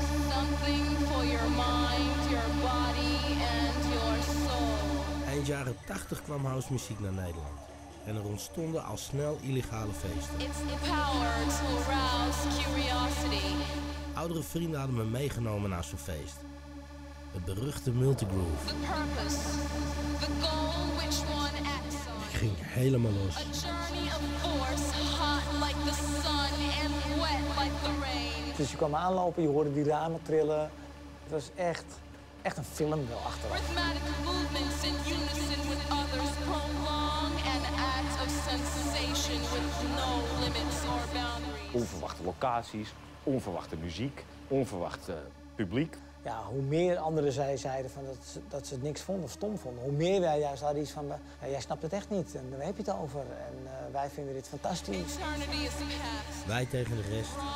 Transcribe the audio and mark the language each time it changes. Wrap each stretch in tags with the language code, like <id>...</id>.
<en>Something for your mind, your body and your soul.</en> <nl>Eind jaren 80 kwam housemuziek naar Nederland. En er ontstonden al snel illegale feesten.</nl> <en>It's the power to arouse curiosity.</en> <nl>Oudere vrienden hadden me meegenomen naar zo'n feest. Het beruchte Multigroove.</nl> <en>The purpose, the goal which one acts on.</en> <nl>Ik ging helemaal los.</nl> <en>A journey of force, hot like the sun and wet like the rain.</en> <nl>Dus je kwam aanlopen, je hoorde die ramen trillen. Het was echt een film wel achteraf.</nl> <en>Rhythmatic movements in unison with others prolong an act of sensation with no limits or boundaries.</en> <nl>Onverwachte locaties, onverwachte muziek, onverwachte publiek. Ja, hoe meer anderen zeiden van dat ze het niks vonden of stom vonden, hoe meer wij juist hadden iets van, jij snapt het echt niet en daar heb je het over en wij vinden dit fantastisch. Wij tegen de rest.</nl>